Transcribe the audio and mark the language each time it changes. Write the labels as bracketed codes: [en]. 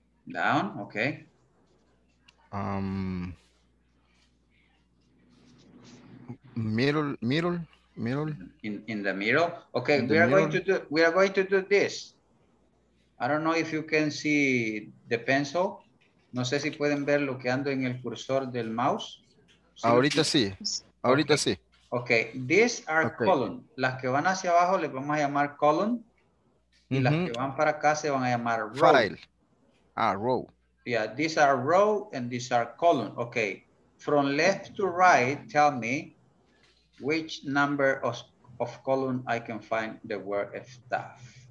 [en] Down, okay. Middle. In the middle. Okay, in we are going to do this. I don't know if you can see the pencil. [es] No sé si pueden ver lo que ando en el cursor del mouse. Ahorita sí. [en] Okay, these are columns. [es] Las que van hacia abajo les vamos a llamar column. Y las que van para acá se van a llamar row. File. [en] Ah, row. Yeah, these are row and these are column. Okay, from left to right, tell me which number of column I can find the word staff.